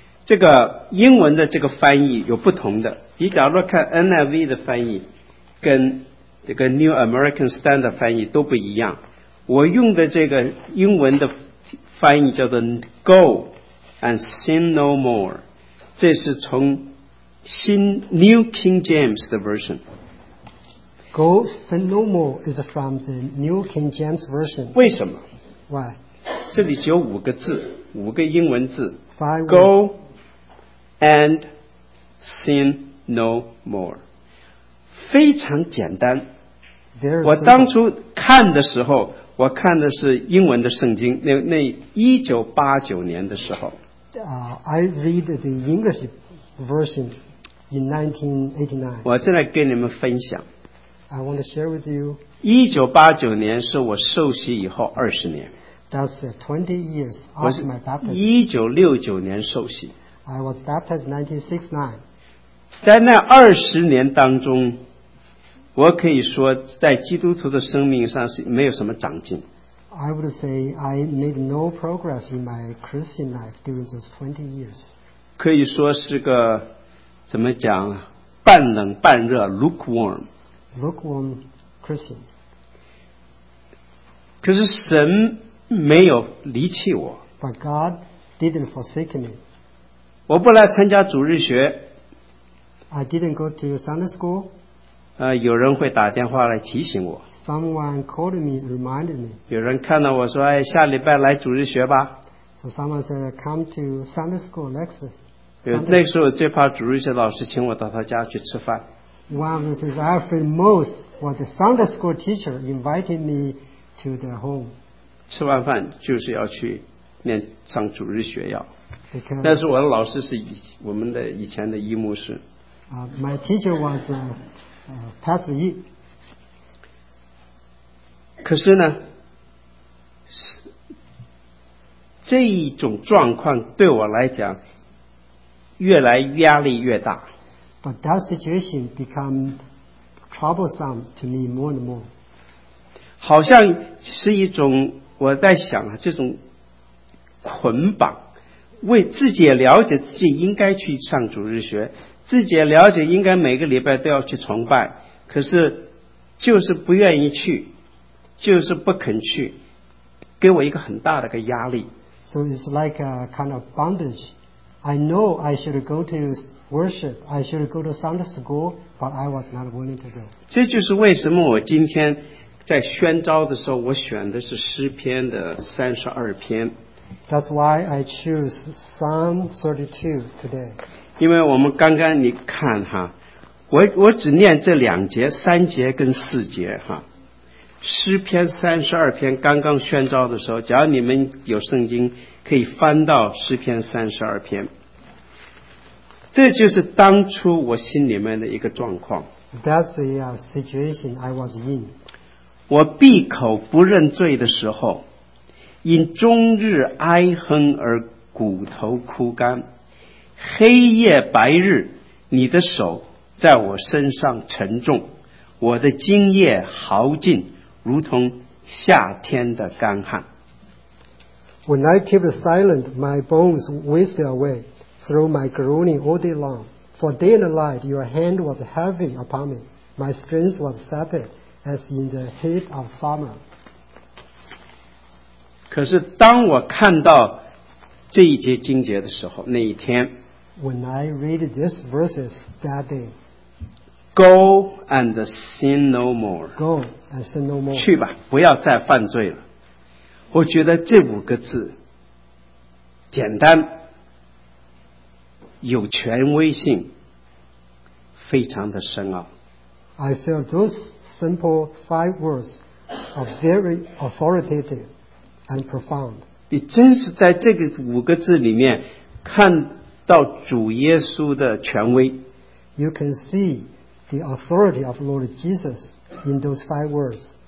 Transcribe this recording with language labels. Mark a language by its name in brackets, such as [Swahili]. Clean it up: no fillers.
[Chinese] 这个英文的这个翻译有不同的。你假如看 NIV 的翻译跟这个 New American Standard 翻译都不一样，我用的这个英文的翻译叫做 [English] Go and sin no more， [Chinese] 这是从新 New King James 的 version。 [English] Go sin no more is from the New King James version。 [Chinese] 为什么？ [English] Why？ [Chinese] 这里只有五个字，五个英文字， [English] Five Go and sin no more， [Chinese] 非常简单。我当初看的时候，我看的是英文的圣经，那1989年的时候。 [English] I read the English version in 1989. [Chinese] 我现在跟你们分享。 [English] I want to share with you. [Chinese] 1989年是我受洗以后20年。 [English] That's 20 years after my baptism. [Chinese] 1969年受洗。 [English] I was baptized in 1969. [Chinese] 在那20年当中，我可以说在基督徒的生命上是没有什么长进。 [English] I would say I made no progress in my Christian life during those 20 years. [Chinese] 可以说是个怎么讲，半冷半热， lukewarm [English] lukewarm Christian. [Chinese] 可是神没有离弃我。 [English] But God didn't forsake me. [Chinese] 我不来参加主日学。 [English] I didn't go to Sunday school. [Chinese] 有人会打电话来提醒我。 [English] Someone called me, reminded me. [Chinese] 有人看到我说，哎，下礼拜来主日学吧。 [English] So someone said, come to Sunday school next Sunday. [Chinese] 那时候我最怕主日学老师请我到他家去吃饭。 [English] One of the things I feared most was the Sunday school teacher inviting me to their home. [Chinese] 吃完饭就是要去念上主日学要。 [English] Because, [Chinese] 但是我的老师是我们的以前的一牧师。 [English] My teacher was Pastor Yi. [Chinese] 可是呢，这一种状况对我来讲越来压力越大。 [English] But that situation become troublesome to me more and more. [Chinese] 好像是一种我在想啊，这种捆绑，为自己了解自己应该去上主日学，自己了解应该每个礼拜都要去崇拜，可是就是不愿意去，就是不肯去，给我一个很大的个压力。 [English] So it's like a kind of bondage. I know I should go to worship. I should go to Sunday school, but I was not willing to go. [Chinese] 这就是为什么我今天在宣召的时候，我选的是诗篇的32篇。 [English] That's why I choose Psalm 32 today. [Chinese] 因为我们刚刚你看哈，我只念这两节，三节跟四节哈。诗篇32篇刚刚宣召的时候，假如你们有圣经，可以翻到诗篇32篇。这就是当初我心里面的一个状况。 [English] That's the situation I was in. [Chinese] 我闭口不认罪的时候，因终日哀哼而骨头枯干，黑夜白日，你的手在我身上沉重，我的精液耗尽，如同夏天的干旱。 [English] When I keep silent, my bones waste away through my groaning all day long. For day and night, your hand was heavy upon me. My strength was sapped as in the heat of summer. [Chinese] 可是当我看到这一节经节的时候，那一天 [English] ，When I read these verses that day. Go and sin no more. Go and sin no more. [Chinese] 去吧，不要再犯罪了。我觉得这五个字简单，有权威性，非常的深奥。 [English] I feel those simple 5 words are very authoritative and profound. [Chinese] 你真是在这个五个字里面看到主耶稣的权威。 [English] You can see. The authority of Lord Jesus in those 5 words.